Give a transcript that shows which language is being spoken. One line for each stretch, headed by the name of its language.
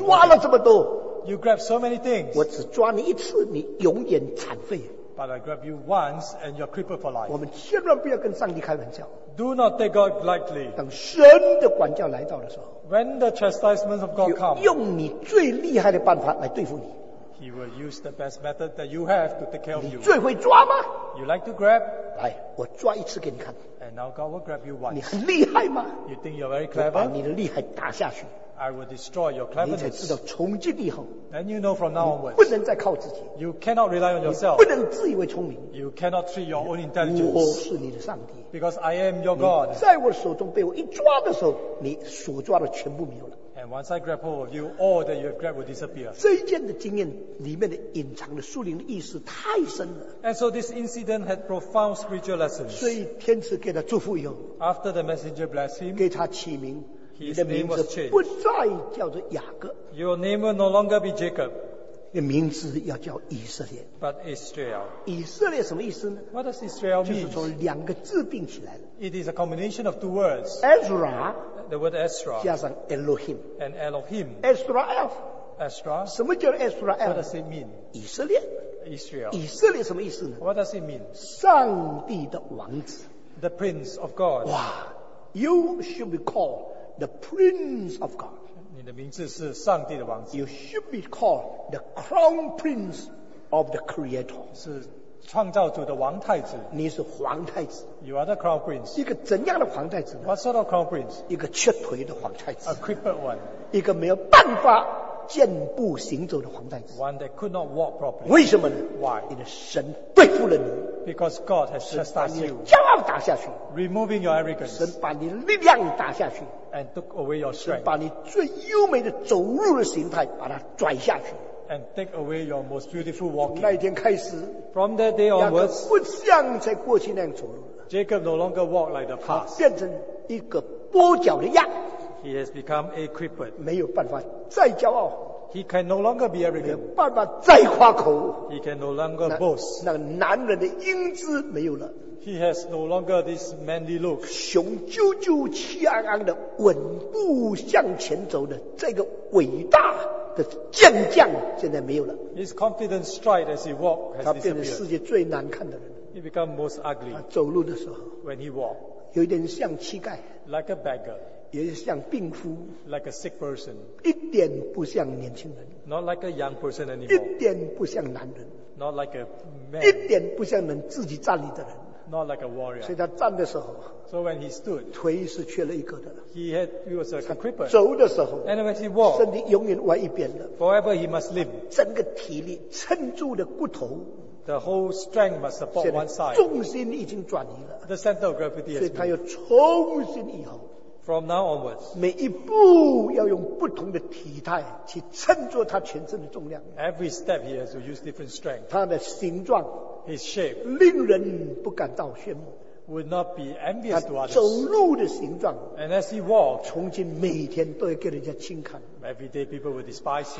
Chinese: 你抓了这么多。
English: You grab so many things.
Chinese: 我只抓你一次，你永远残废。
English: But I grab you once, and you're crippled for life.
Chinese: 我们千万不要跟上帝开玩笑。
English: Do not take God lightly.
Chinese: 等神的管教来到的时候。
English: When the chastisement of God comes,
Chinese: 用你最厉害的办法来对付你。
English: He will use the best method that you have to take care of you.
Chinese: 你最会抓吗？
English: You like to grab?
Chinese: 来，我抓一次给你看。
English: And now God will grab you once.
Chinese: 你很厉害吗？
English: You think you're very clever?
Chinese: 把你的厉害打下去。
English: I will destroy your cleverness.
Chinese: 你才知道从今以后。
English: Then you know from now onwards.
Chinese: 你不能再靠自己。
English: You cannot rely on yourself.
Chinese: 你不能自以为聪明。
English: You cannot treat your own intelligence.
Chinese: 我是你的上帝。
English: Because I am your God.
Chinese: 你在我手中被我一抓的时候，你所抓的全部没有了。
English: And once I grab hold of you, all that you have grabbed will disappear.
Chinese: 这一件的经验里面的隐藏的属灵的意思太深了。
English: And so this incident had profound spiritual lessons.
Chinese: 所以天使给他祝福以后。
English: After the messenger blessed him.
Chinese: 给他起名。
English: His name was changed.
Chinese: 不再叫做雅各。
English: Your name will no longer be Jacob.
Chinese: 你名字要叫以色列。
English: But Israel.
Chinese: 以色列什么意思呢？
English: What does Israel mean?
Chinese: 就是从两个字并起来的。
English: It is a combination of two words. Ezra. The word Ezra.
Chinese: 加上 Elohim.
English: And Elohim. Israel. Ezra.
Chinese: 什么叫 Israel?
English: What does it mean?
Chinese: 以色列。
English: Israel.
Chinese: 以色列什么意思呢？
English: What does it mean?
Chinese: 上帝的王子。
English: The Prince of God. 哇， you should be called the Prince of God.
Chinese: 你的名字是上帝的王子。
English: You should be called the Crown Prince of the Creator.
Chinese: 是创造主的王太子。你是皇太子。
English: You are the Crown Prince.
Chinese: 一个怎样的皇太子呢？
English: What sort of Crown Prince?
Chinese: 一个瘸腿的皇太子。
English: A crippled one.
Chinese: 一个没有办法健步行走的皇太子。
English: One that could not walk properly.
Chinese: 为什么呢？
English: Why?
Chinese: 因为神对付了你。
English: Because God has chastised you.
Chinese: 骄傲打下去。
English: Removing your arrogance.
Chinese: 神把你力量打下去。
English: And took away your strength.
Chinese: 把你最优美的走路的形态把它拽下去。
English: And take away your most beautiful walking.
Chinese: 从那一天开始。
English: From that day onwards.
Chinese: 雅各不像在过去那样走路。
English: Jacob no longer walked like the past.
Chinese: 他变成一个跛脚的样。
English: He has become a crippled.
Chinese: 没有办法再骄傲。
English: He can no longer be arrogant.
Chinese: 没有办法再夸口。
English: He can no longer boast.
Chinese: 那男人的英姿没有了。
English: He has no longer this manly look.
Chinese: 雄赳赳气昂昂的稳步向前走的这个伟大的健将现在没有了。
English: His confident stride as he walked has disappeared.
Chinese: 他变成世界最难看的人。
English: He become most ugly.
Chinese: 他走路的时候。
English: When he walked.
Chinese: 有点像乞丐。
English: Like a beggar.
Chinese: 也像病夫。
English: Like a sick person.
Chinese: 一点不像年轻人。
English: Not like a young person anymore.
Chinese: 一点不像男人。
English: Not like a man.
Chinese: 一点不像能自己站立的人。
English: Not like a warrior.
Chinese: 所以他站的时候
English: so when he stood,
Chinese: 腿是缺了一个的
English: he was a crippled.
Chinese: 走的时候
English: and when he walked,
Chinese: 身体永远歪一边的
English: forever he must limp.
Chinese: 整个体力撑住的骨头
English: the whole strength must support one side.
Chinese: 现在重心已经转移了
English: the center of gravity has
Chinese: moved. 所以他要重新以后
English: from now onwards,
Chinese: 每一步要用不同的体态去撑住他全身的重量
English: every step he has to use different strength.
Chinese: 他的形状
English: His shape
Chinese: 令人不敢到羡慕
English: would not be envious to others.
Chinese: 走路的形状
English: and as he walked,
Chinese: 从今每天都要给人家轻看
English: every day people would despise him.